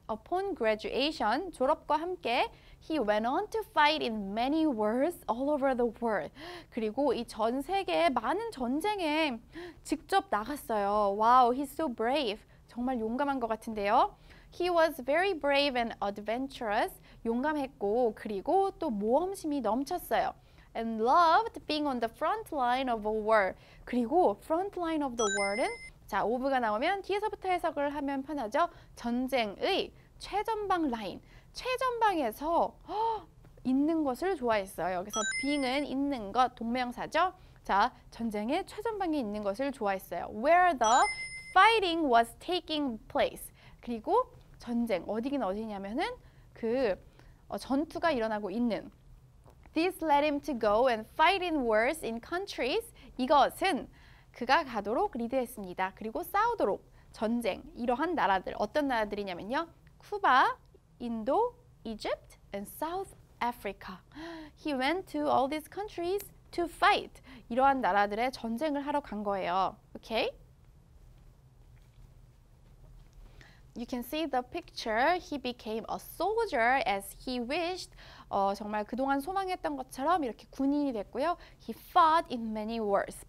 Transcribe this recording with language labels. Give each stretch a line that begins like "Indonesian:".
English: Upon graduation,
Korean: 졸업과 함께
English: he went on to fight in many wars all over the world.
Korean: 그리고 이 전 세계의 많은 전쟁에 직접 나갔어요.
English: Wow, he's so brave.
Korean: 정말 용감한 것 같은데요.
English: He was very brave and adventurous.
Korean: 용감했고 그리고 또 모험심이 넘쳤어요.
English: And loved being on the front line of a war.
Korean: 그리고
English: front line of the war
Korean: 은 자, of가 나오면 뒤에서부터 해석을 하면 편하죠. 전쟁의 최전방 라인, 최전방에서 있는 것을 좋아했어요. 여기서 being은 있는 것, 동명사죠. 자, 전쟁의 최전방에 있는 것을 좋아했어요.
English: Where the fighting was taking place.
Korean: 그리고 전쟁, 어디긴 어디냐면은 그 전투가 일어나고 있는
English: This led him to go and fight in wars in countries.
Korean: 이것은 그가 가도록 리드했습니다. 그리고 싸우도록 전쟁 이러한 나라들 어떤 나라들이냐면요.
English: 쿠바, 인도, Egypt and South Africa. He went to all these countries to fight.
Korean: 이러한 나라들의 전쟁을 하러 간 거예요.
English: Okay? You can see the picture. He became a soldier as he wished.
Korean: 정말 그동안 소망했던 것처럼 이렇게 군인이 됐고요.
English: He fought in many wars.